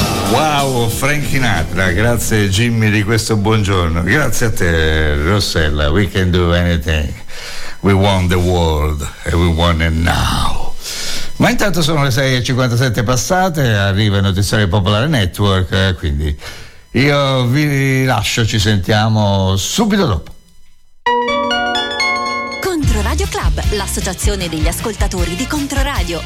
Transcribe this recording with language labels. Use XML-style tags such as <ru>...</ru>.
<it>Wow, Frank Sinatra, grazie Jimmy di questo buongiorno, grazie a te Rossella.</it> <en>We can do anything, we want the world and we want it now.</en> <it>Ma intanto sono le 6:57 passate, arriva il Notiziario Popolare Network, quindi io vi lascio, ci sentiamo subito dopo. Radio Club, l'associazione degli ascoltatori di Controradio.</it>